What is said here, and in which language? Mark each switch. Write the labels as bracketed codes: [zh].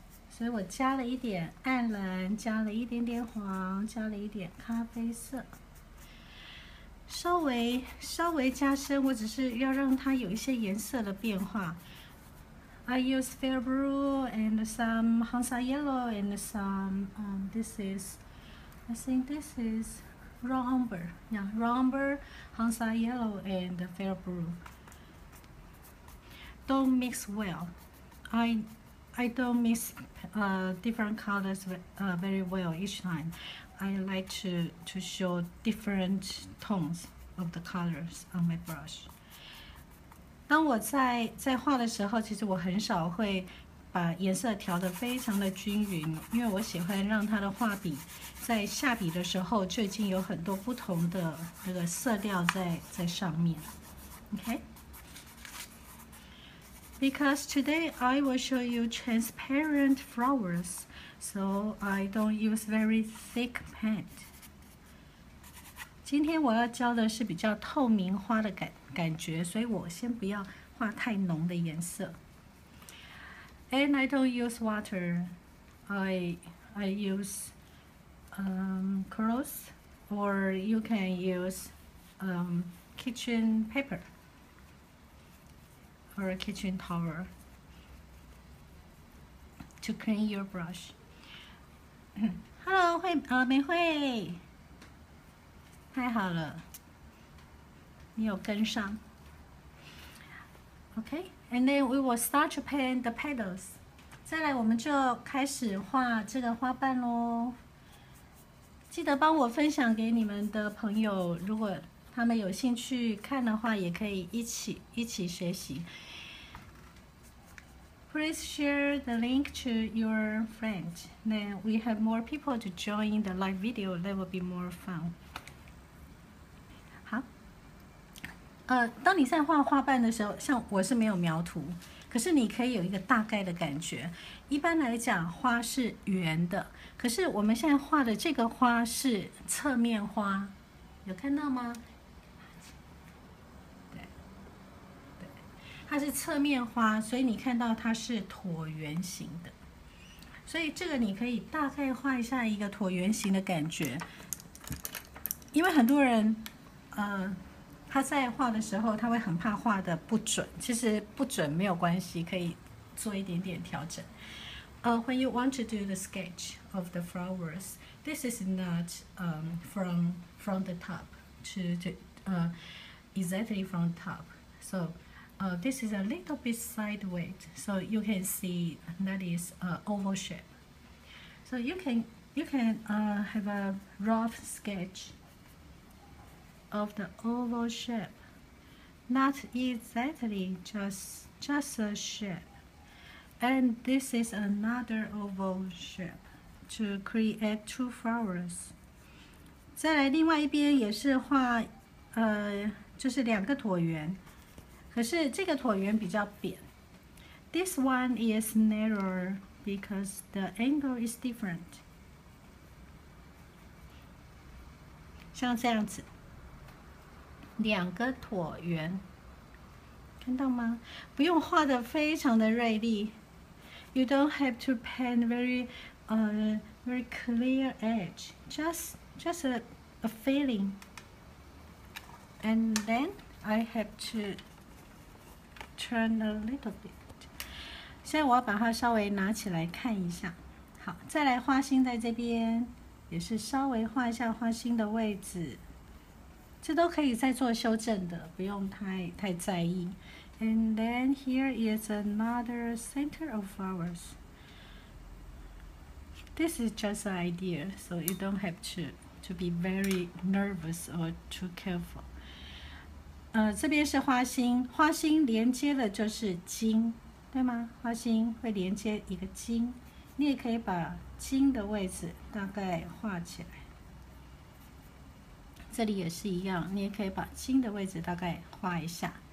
[zh] 所以我加了一点暗蓝，加了一点点黄，加了一点咖啡色，稍微加深。我只是要让它有一些颜色的变化。 [en] I use fair blue and some Hansa yellow and some this is raw umber, yeah, raw umber, Hansa yellow and fair blue. Don't mix well. I don't mix different colors very well each time. I like to show different tones of the colors on my brush. [zh] 当我在画的时候，其实我很少会把颜色调得非常的均匀，因为我喜欢让它的画笔在下笔的时候就已经有很多不同的那个色调在上面。 [en] Okay? Because today I will show you transparent flowers, so I don't use very thick paint. [zh] 今天我要教的是比较透明花的感觉，所以我先不要画太浓的颜色。 [en] And I don't use water. I use cloth, or you can use kitchen paper. Or a kitchen towel to clean your brush. [zh] Hello, 慧美慧，太好了，你有跟上。 [en] Okay, and then we will start to paint the petals. [zh] 再来，我们就开始画这个花瓣咯。记得帮我分享给你们的朋友，如果他们有兴趣看的话，也可以一起学习。 [en] Please share the link to your friend. Then we have more people to join the live video. That will be more fun. [zh] 好，当你在画花瓣的时候，像我是没有描图，可是你可以有一个大概的感觉。一般来讲，花是圆的，可是我们现在画的这个花是侧面花，有看到吗？它是侧面花，所以你看到它是椭圆形的，所以这个你可以大概画一下一个椭圆形的感觉。因为很多人他在画的时候他会很怕画的不准，其实不准没有关系，可以做一点点调整。 [en] When you want to do the sketch of the flowers, this is not from the top to exactly from top. So this is a little bit sideways. So you can see that is oval shape. So you can have a rough sketch of the oval shape, not exactly just a shape. And this is another oval shape to create two flowers. [zh] 再来另外一边也是画，就是两个椭圆，可是这个椭圆比较扁。 [en] This one is narrower because the angle is different. [zh] 像这样子，两个椭圆，看到吗？不用画得非常的锐利。 [en] You don't have to paint very clear edge. Just a feeling. And then I have to turn a little bit. [zh] 现在我要把它稍微拿起来看一下。好，再来花心在这边，也是稍微画一下花心的位置。这都可以再做修正的，不用太在意。 [en] And then here is another center of flowers. This is just an idea, so you don't have to be very nervous or too careful. [zh] 这边是花心，花心连接的就是茎，对吗？花心会连接一个茎，你也可以把茎的位置大概画起来。这里也是一样，你也可以把茎的位置大概画一下。